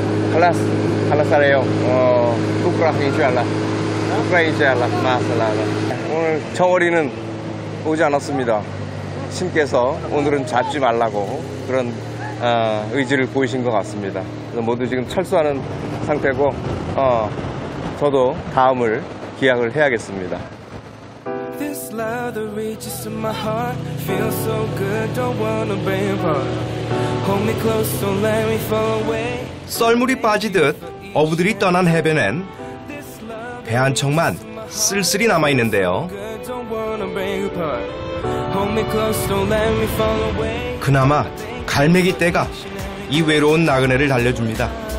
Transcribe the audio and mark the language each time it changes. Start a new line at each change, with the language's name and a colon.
Arabic: خلاص خلاص عليه بكره ان شاء الله بكره ان شاء الله مع السلامه
Korean: 오늘 청어리는 오지 않았습니다. 신께서 오늘은 잡지 말라고 그런 의지를 보이신 것 같습니다. 그래서 모두 지금 철수하는 상태고 저도 다음을 기약을 해야겠습니다.
English: This love that reaches to my heart feels so good don't wanna break apart hold me close don't let me fall away
Korean: 썰물이 빠지듯 어부들이 떠난 해변엔 배 한 척만 쓸쓸히 남아있는데요. 그나마 갈매기 떼가 이 외로운 나그네를 달래줍니다.